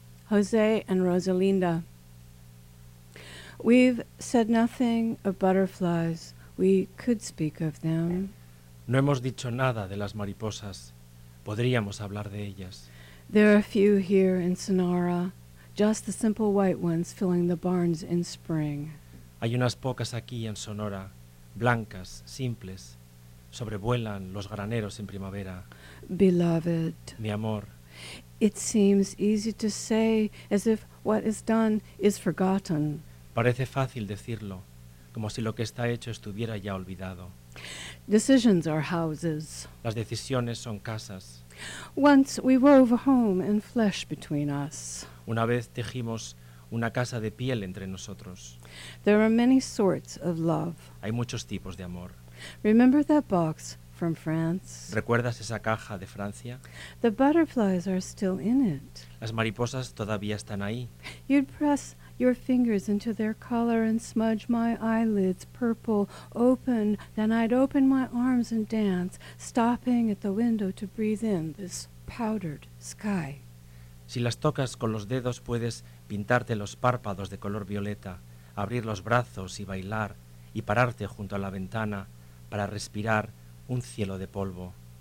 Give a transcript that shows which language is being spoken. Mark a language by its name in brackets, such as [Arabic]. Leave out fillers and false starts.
[English] Jose and Rosalinda. We've said nothing of butterflies. We could speak of them. [Spanish] No hemos dicho nada de las mariposas. Podríamos hablar de ellas. [English] There are a few here in Sonora, just the simple white ones filling the barns in spring. [Spanish] Hay unas pocas aquí en Sonora, blancas, simples. Sobrevuelan los graneros en primavera. [English] Beloved. [Spanish] Mi amor. [English] It seems easy to say, as if what is done is forgotten. [Spanish] Parece fácil decirlo, como si lo que está hecho estuviera ya olvidado. [English] Decisions are houses. [Spanish] Las decisiones son casas. [English] Once we wove home and flesh between us. [Spanish] Una vez tejimos una casa de piel entre nosotros. [English] There are many sorts of love. [Spanish] Hay muchos tipos de amor. [English] Remember that box from France? [Spanish] ¿Recuerdas esa caja de Francia? [English] The butterflies are still in it. [Spanish] Las mariposas todavía están ahí. [English] You'd press your fingers into their collar and smudge my eyelids purple open. Then I'd open my arms and dance, stopping at the window to breathe in this powdered sky. [Spanish] Si las tocas con los dedos, puedes pintarte los párpados de color violeta, abrir los brazos y bailar, y pararte junto a la ventana para respirar un cielo de polvo.